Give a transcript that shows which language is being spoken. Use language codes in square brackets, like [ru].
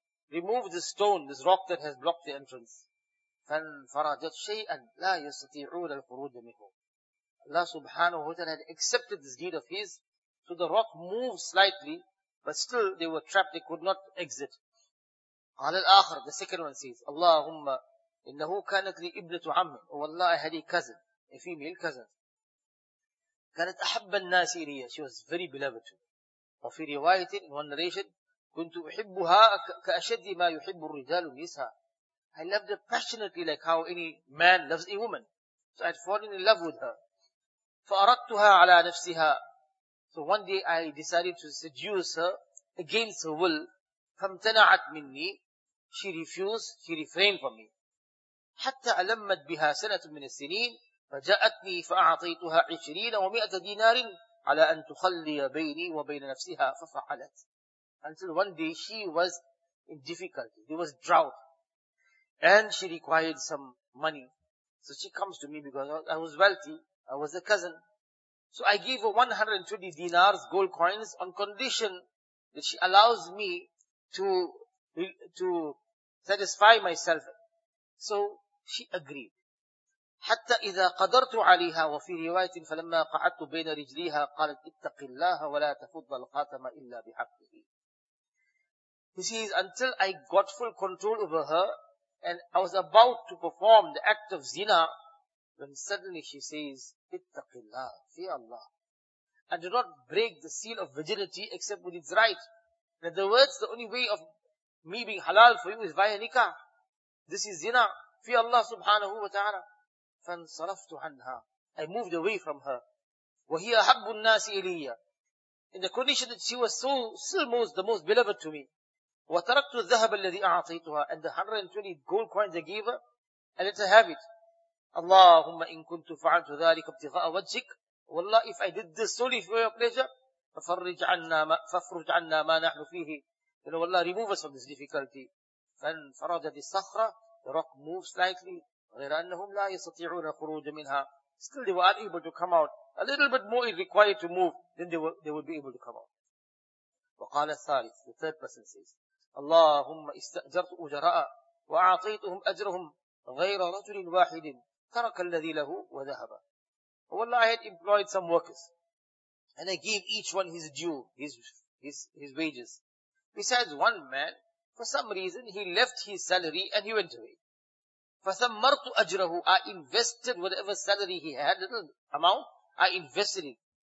[en] Remove this stone, this rock that has blocked the entrance. [ar] فَانْفَرَجَتْ شَيْئًا لَا يَسْتَطِيعُونَ الْخُرُودَ مِنْهُ. [en] Allah subhanahu wa ta'ala had accepted this deed of his, so the rock moved slightly, but still they were trapped, they could not exit. [ar] قَالَ الْآخَرَ, [en] the second one says, [ar] اللَّهُمَّ إِنَّهُ كَانَتْ لِي إِبْنَةُ عَمٍ. [en] O Allah, I had a cousin, a female cousin. [ar] كانت أحب الناس إليها. [en] She was very beloved to me. [ar] وفي رواية, [en] in one narration, [ar] كنت أحبها كأشد ما يحب الرجال النساء. [en] I loved her passionately like how any man loves a woman. So I had fallen in love with her. [ar] فأردتها على نفسها. [en] So one day I decided to seduce her against her will. [ar] فامتنعت مني. [en] She refused, she refrained from me. [ar] حتى ألمت بها سنة من السنين. فجاءتني فأعطيتها 20 و100 دينار على أن تخلي بيني وبين نفسها ففعلت. [en] Until one day she was in difficulty. There was drought. And she required some money. So she comes to me because I was wealthy. I was a cousin. So I gave her 120 dinars, gold coins, on condition that she allows me to satisfy myself. So she agreed. [ar] حتى إذا قدرت عليها وفي رواية فلما قعدت بين رجليها قالت اتق الله ولا تفض الخاتم إلا بحقه. [en] He says, until I got full control over her and I was about to perform the act of zina, then suddenly she says, [ar] اتق الله, [en] fear Allah, and do not break the seal of virginity except with its right. In other words, the only way of me being halal for you is via nikah. This is zina. Fear Allah subhanahu wa ta'ala. [ar] فانصرفت عنها. [en] I moved away from her. [ar] وهي أحب الناس إلي. [en] In the condition that she was so still most the most beloved to me. [ar] وتركت الذهب الذي أعطيتها. [en] And the 120 gold coins I gave her, I let her have it. [ar] اللهم إن كنت فعلت ذلك ابتغاء وجهك. [en] والله, if I did this solely for your pleasure, [ar] ففرج عنا ما نحن فيه. [en] You know, والله, remove us from this difficulty. [ar] فانفرجت الصخرة. [en] The rock moved slightly. [ar] غيرانهم لا يستطيعون خروج منها. [en] Still they were unable to come out. A little bit more it required to move, then they would be able to come out. [ar] وقال الثالث, [en] the third person says, [ar] اللهم استأجرت أجراء وأعطيتهم أجرهم غير رجل واحد ترك الذي له وذهب. [en] Wallah, I had employed some workers, and I gave each one his due, his wages. Besides one man, for some reason he left his salary and he went away. [ar] فَثَمَّرْتُ أَجْرَهُ, [en] I invested whatever salary he had, little amount, I invested it.